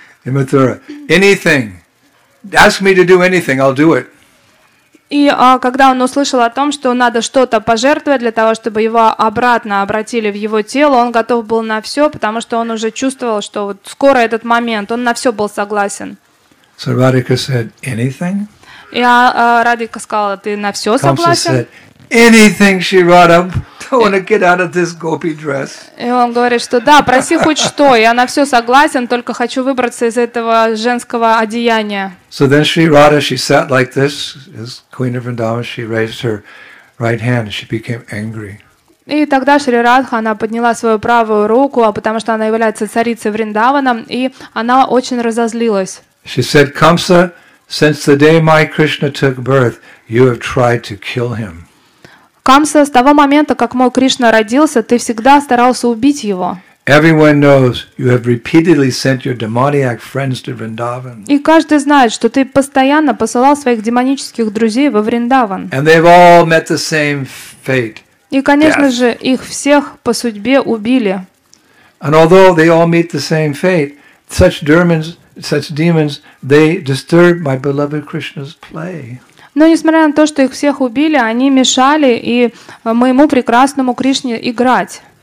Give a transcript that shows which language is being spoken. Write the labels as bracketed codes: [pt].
[en] In Mathura. Anything. Ask me to do anything, I'll do it. [ru] И когда он услышал о том, что надо что-то пожертвовать для того, чтобы его обратно обратили в его тело, он готов был на все, потому что он уже чувствовал, что вот скоро этот момент, он на все был согласен. [en] So Radhika said, anything? [ru] И Радхика сказала, ты на все согласен? [en] Said, anything, Sri Radha. I want to get out of this gopi dress. [ru] И он говорит, что да, проси хоть что, я на все согласен, только хочу выбраться из этого женского одеяния. [en] So then Sri Radha, she sat like this, as Queen of Vrindavan, she raised her right hand, and she became angry. [ru] И тогда Шри Радха, она подняла свою правую руку, а потому что она является царицей Вриндавана, и она очень разозлилась. [en] She said, Kamsa, since the day my Krishna took birth, you have tried to kill him. [ru] Камса, с того момента, как мой Кришна родился, ты всегда старался убить его. [en] Everyone knows you have repeatedly sent your demoniac friends to Vrindavan. [ru] И каждый знает, что ты постоянно посылал своих демонических друзей во Вриндаван. [en] And they've all met the same fate. [ru] И, конечно же, их всех по судьбе убили. [en] And although they all meet the same fate, such demons, they disturb my beloved Krishna's play. [ru] Но несмотря на то, что их всех убили, они мешали и моему прекрасному Кришне играть.